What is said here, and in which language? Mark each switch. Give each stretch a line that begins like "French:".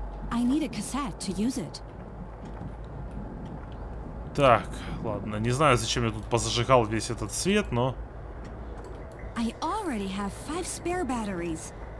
English: I need a cassette to use it.
Russian: Так, ладно, не знаю, зачем я тут позажигал весь этот свет, но...
English: I already have 5 spare batteries.